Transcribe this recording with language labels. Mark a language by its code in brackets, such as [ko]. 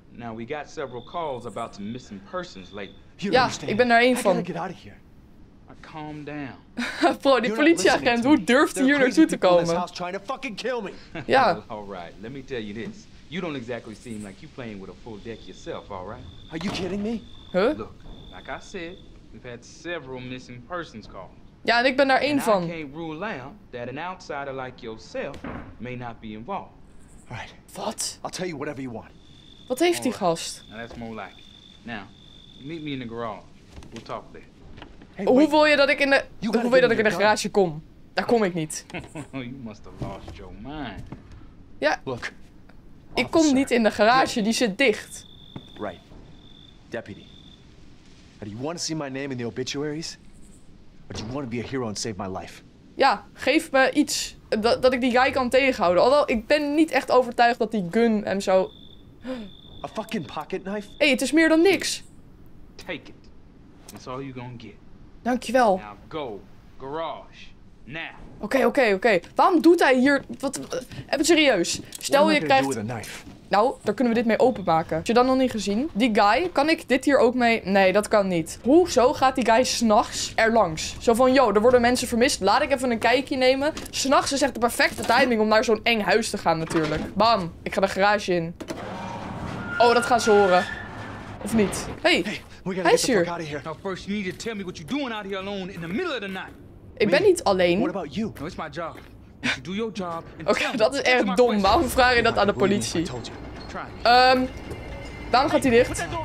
[en] Now we got several calls about some missing persons lately. [nl] Ja, ik ben daar één van. [en] Calm down. [nl] Bro, die politieagent, hoe durft hij hier naartoe te komen? Ja. [en] Alright, let me tell you this. You don't exactly seem like you playing with a full deck yourself, alright? Are you kidding me? Huh? Look, like I said, we've had several missing persons call. [nl] Ja, en ik ben daar één van. [en] I can't rule out that an outsider like yourself may not be involved. Alright. [nl] Wat? [en] I'll tell you whatever you want. [nl] Wat heeft die gast? [en] Now that's more like it. Now. Meet me in the garage. We'll talk there. [nl] Hey, hoe wil je dat ik in de... Hoe wil je dat ik in de garage kom? Daar kom ik niet. [en] You must have lost your mind. [nl] Ja. [en] Look. [nl] Ik kom niet in de garage. Die zit dicht. [en] Right. Deputy. Do you want to see my name in the obituaries? Or do you want to be a hero and save my life? [nl] Ja, geef me iets dat ik die guy kan tegenhouden. Alhoewel, ik ben niet echt overtuigd dat die gun hem zo... [en] A fucking pocket knife? [nl] Hey, het is meer dan niks. [en] Take it. That's all you're gonna get. [nl] Dankjewel. [en] Now go. Garage. Now. [nl] Oké. Waarom doet hij hier... Even serieus. Stel je krijgt... [en] What am I gonna do with a knife? [nl] Nou, daar kunnen we dit mee openmaken. Heb je dat nog niet gezien? Die guy, kan ik dit hier ook mee... Nee, dat kan niet. Hoezo gaat die guy s'nachts erlangs? Zo van, yo, er worden mensen vermist. Laat ik even een kijkje nemen. S'nachts is echt de perfecte timing om naar zo'n eng huis te gaan natuurlijk. Bam. Ik ga de garage in. Oh, dat gaan ze horen. Of niet? Hey. [en] We gotta get the fuck out of here. Now first you need to tell me what you're doing out here alone in the middle of the night. [nl] Ik ben niet alleen. [en] What about you? No, it's my job. You do your job. [nl] Okay, dat is erg dom. Waarom vraag je dat aan de politie? Waarom gaat hij dicht?